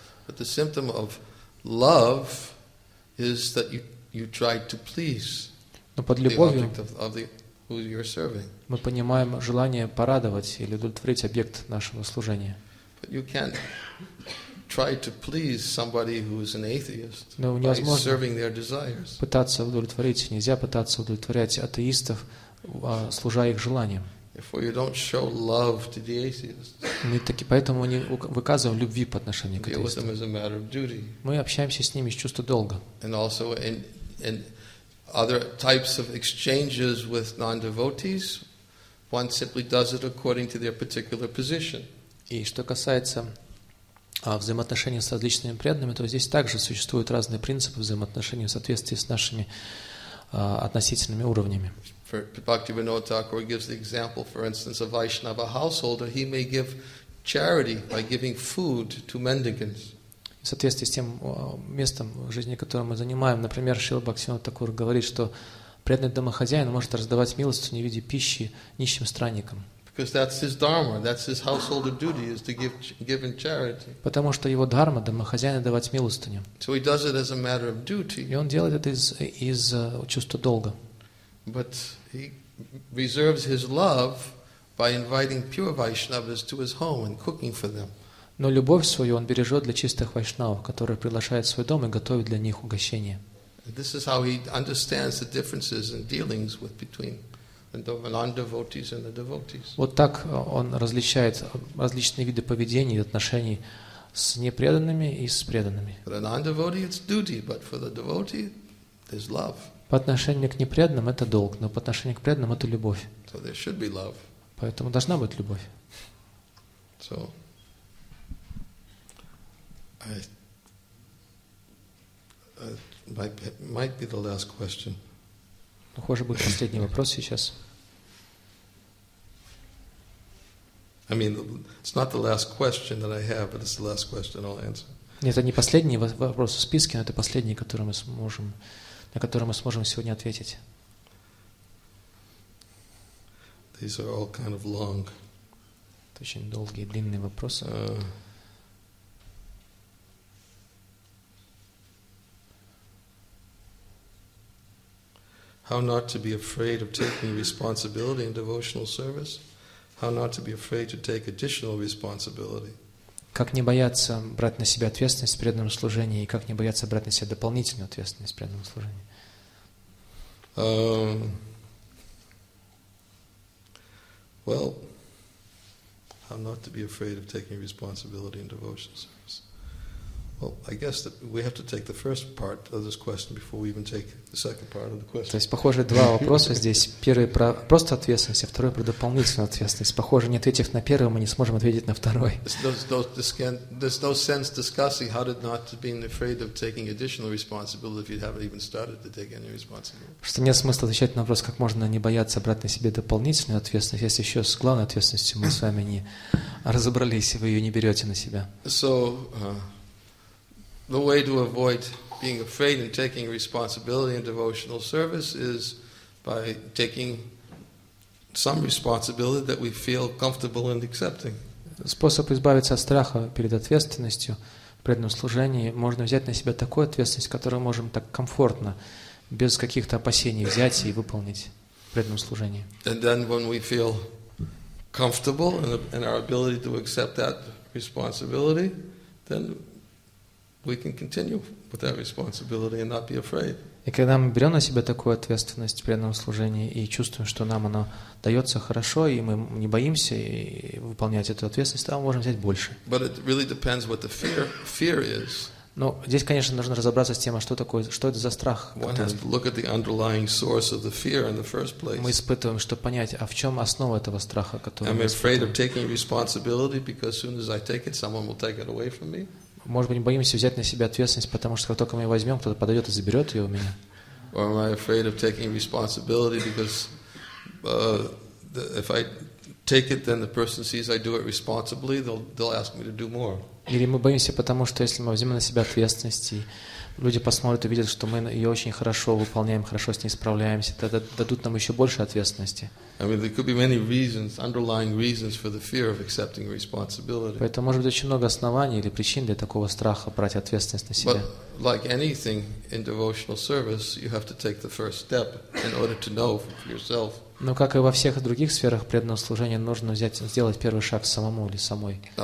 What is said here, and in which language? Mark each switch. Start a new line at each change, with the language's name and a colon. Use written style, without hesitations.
English: But the symptom of love is that you try to please.
Russian: Но под любовью
English: who you're serving.
Russian: Мы понимаем желание порадовать или удовлетворить объект нашего служения.
English: But you can't try to please somebody who is an atheist.
Russian: Но невозможно
English: serving their desires.
Russian: Пытаться удовлетворить, нельзя пытаться удовлетворять атеистов, служа их желаниям.
English: Therefore, you don't show love to the atheist.
Russian: Мы таки поэтому не выказываем любви по отношению к атеистам.
English: Deal with them as a matter of duty.
Russian: Мы общаемся с ними из чувства долга.
English: And also in other types of exchanges with non-devotees, one simply does it according to their particular position.
Russian: И что касается взаимоотношений с различными преданными, то здесь также существуют разные принципы взаимоотношений в соответствии с нашими относительными уровнями.
English: Bhaktivinoda Thakur gives the example, for instance, a Vaishnava householder, he may give charity by giving food to mendicants.
Russian: В соответствии с тем местом в жизни, которое мы занимаем, например, Шрила Бхактивинода Такур говорит, что преданный домохозяин может раздавать милость не в виде пищи нищим странникам.
English: Because that's his dharma, that's his householder duty, is to give in charity.
Russian: Потому что его дхарма домохозяина давать милостыню.
English: So he does it as a matter of duty.
Russian: И он делает это из чувства долга.
English: But he reserves his love by inviting pure Vaishnavas to his home and cooking for them.
Russian: Но любовь свою он бережет для чистых вайшнавов, которые приглашают в свой дом и готовят для них угощение.
English: This is how he understands the differences in dealings with between the non-devotees and the devotees.
Russian: Вот так он различает различные виды поведения и отношений с непреданными и с преданными.
English: For the non-devotee it's duty, but for the devotee there's love.
Russian: По отношению к непреданным это долг, но по отношению к преданным это любовь.
English: So there should be love.
Russian: Поэтому должна быть любовь.
English: So might be the last question.
Russian: Похоже, будет последний вопрос сейчас.
English: I mean, it's not the last question that I have, but it's the last question I'll answer.
Russian: Нет, это не последний вопрос в списке, но это последний, который мы сможем, на который мы сможем сегодня ответить.
English: These are all kind of long.
Russian: Это очень долгие, длинные вопросы.
English: How not to be afraid of taking responsibility in devotional service? How not to be afraid to take additional responsibility?
Russian: Как не бояться брать на себя ответственность в преданном служении и как не бояться брать на себя дополнительную ответственность в преданном служении?
English: Well, how not to be afraid of taking responsibility in devotional service? Well, I guess that we have to take the first part of this question before we even take the second part of the question.
Russian: То есть, похоже, два вопроса здесь. Первый про просто ответственность, а второй про дополнительную ответственность. Похоже, не ответив на первый, мы не сможем ответить на второй.
English: There's no sense discussing how to not be afraid of taking additional responsibility if you haven't even started to take any responsibility.
Russian: Что нет смысла отвечать на вопрос, как можно не бояться брать на себе дополнительную ответственность, если еще с главной ответственностью мы с вами не разобрались, и вы ее не берете на себя.
English: So, the way to avoid being afraid and taking responsibility in devotional service is by taking some responsibility that we feel comfortable in accepting.
Russian: Способ избавиться от страха перед ответственностью в преданном служении можно взять на себя такую ответственность, которую можем так комфортно, без каких-то опасений взять и выполнить в преданном служении.
English: And then when we feel comfortable in our ability to accept that responsibility, then we can continue with that responsibility and not be afraid.
Russian: И когда мы берем на себя такую ответственность в преданном служении и чувствуем, что нам оно дается хорошо, и мы не боимся выполнять эту ответственность, то мы можем взять больше.
English: But it really depends what the fear is.
Russian: Но здесь, конечно, нужно разобраться с тем, что такое, что это за страх.
English: One has to look at the underlying source of the fear in the first place.
Russian: Мы испытываем, чтобы понять, а в чем основа этого страха, который мы испытываем.
English: Am I afraid of taking responsibility because as soon as I take it, someone will take it away from me?
Russian: Может быть, не боимся взять на себя ответственность, потому что как только мы ее возьмем, кто-то подойдет и заберет ее у меня.
English: Or am I afraid of taking responsibility because if I t- take it, then the person sees I do it responsibly, they'll ask me to do more.
Russian: Или мы боимся, потому что если мы возьмем на себя ответственность, и люди посмотрят и видят, что мы ее очень хорошо выполняем, хорошо с ней справляемся, тогда дадут нам еще больше ответственности.
English: I mean, there could be many reasons, underlying reasons for the fear of accepting responsibility.
Russian: Поэтому может быть очень много оснований или причин для такого страха брать ответственность на себя.
English: But like anything in devotional service, you have to take the first step in order to know for yourself.
Russian: Но как и во всех других сферах преданного служения, нужно взять, сделать первый шаг самому или самой.